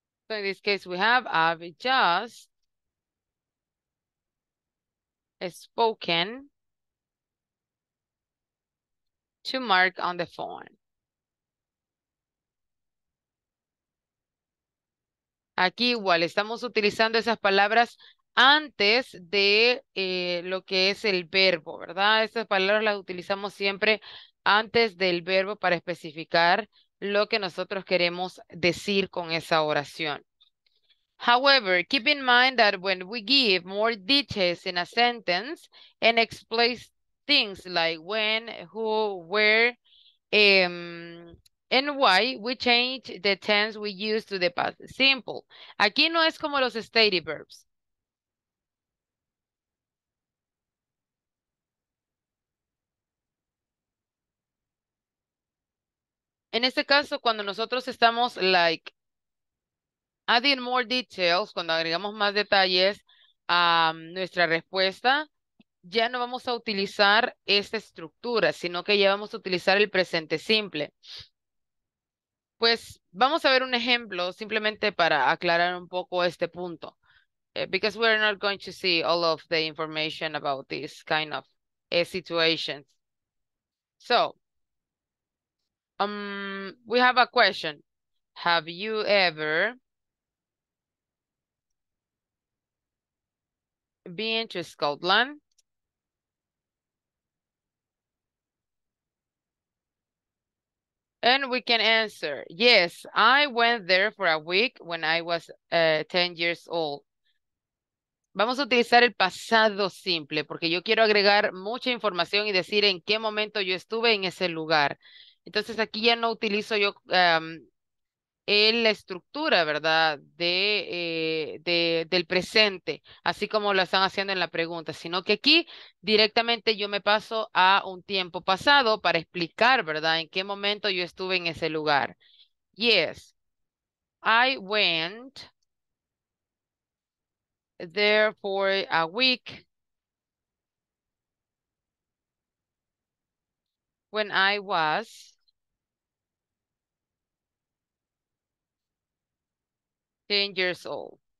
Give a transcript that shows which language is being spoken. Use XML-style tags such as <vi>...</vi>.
<en>So in this case, we have I've just spoken to Mark on the phone.</en> <es>Aquí igual estamos utilizando esas palabras antes de lo que es el verbo, ¿verdad? Esas palabras las utilizamos siempre antes del verbo para especificar lo que nosotros queremos decir con esa oración.</es> <en>However, keep in mind that when we give more details in a sentence and explain things like when, who, where, and why, we change the tense we use to the past simple.</en> <es>Aquí no es como los state verbs. En este caso, cuando nosotros estamos</es> <en>like adding more details,</en> <es>cuando agregamos más detalles a nuestra respuesta, ya no vamos a utilizar esta estructura, sino que ya vamos a utilizar el presente simple. Pues vamos a ver un ejemplo simplemente para aclarar un poco este punto.</es> <en>Because we're not going to see all of the information about this kind of situations. So, we have a question. Have you ever been to Scotland? And we can answer, yes, I went there for a week when I was 10 years old.</en> <es>Vamos a utilizar el pasado simple porque yo quiero agregar mucha información y decir en qué momento yo estuve en ese lugar. Entonces aquí ya no utilizo yo la estructura, ¿verdad? Del presente, así como lo están haciendo en la pregunta, sino que aquí directamente yo me paso a un tiempo pasado para explicar, ¿verdad? En qué momento yo estuve en ese lugar.</es> <en>Yes, I went there for a week when I was 10 years old.</en>